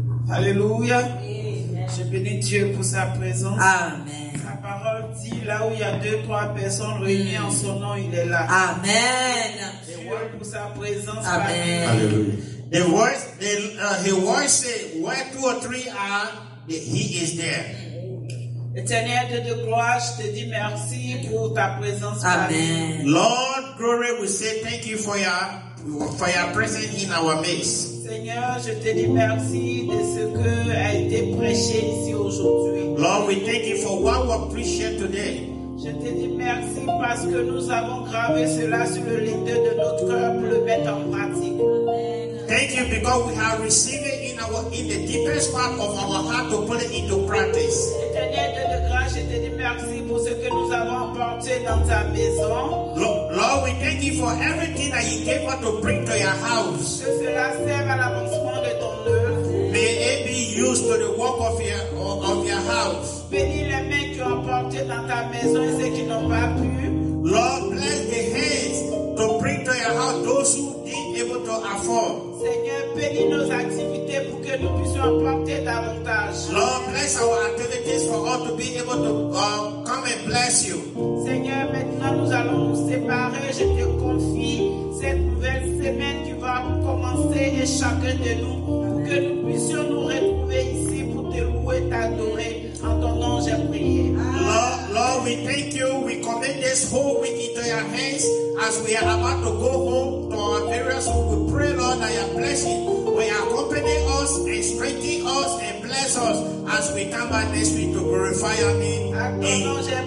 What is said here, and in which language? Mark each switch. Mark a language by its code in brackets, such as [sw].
[fr] Alléluia. Amen. Je bénis Dieu pour sa présence. Amen. Sa parole dit là où il y a deux, trois personnes réunies en son nom, il est là. Amen. Dieu pour sa présence. Amen. Alléluia. [en] The voice, the voice say, where two or three are, he is there. [fr] Éternel Dieu de gloire, je te dis merci pour ta présence. Amen. [en] Lord glory, we say thank you for your presence in our midst. [fr] Seigneur, je te dis merci de ce que a été prêché ici aujourd'hui. [en] Lord, we thank you for what we appreciate today. [fr] Je te dis merci parce que nous avons gravé cela sur le leader de notre cœur pour le mettre en pratique. [en] Thank you because we have received it in the deepest part of our heart to put it into practice. [fr] Éternel Dieu de grâce, je te dis merci pour ce que nous avons apporté dans ta maison. [en] Lord, we thank you for everything that you gave us to bring to your house. [fr] Que cela serve à l'avancement de ton œuvre. [en] May it be used to the work of your house. [fr] Bénis les mains qui ont apporté dans ta maison et ceux qui n'ont pas pu. [en] Lord, bless the hands to bring to your house those who able to afford. [fr] Seigneur, bénis nos activités pour que nous puissions apporter davantage. [en] Lord, bless our activities for us to be able to come and bless you. [fr] Seigneur, maintenant nous allons nous séparer. Je te confie cette nouvelle semaine qui va commencer et chacun de nous pour que nous puissions nous retrouver ici pour te louer, t'adorer. En ton nom, j'ai prié. [en] Lord, we thank you. We commit this whole week into your hands as we are about to go home to our areas. So we pray, Lord, that your blessing will accompany us and strengthen us and bless us as we come back next week to glorify your name.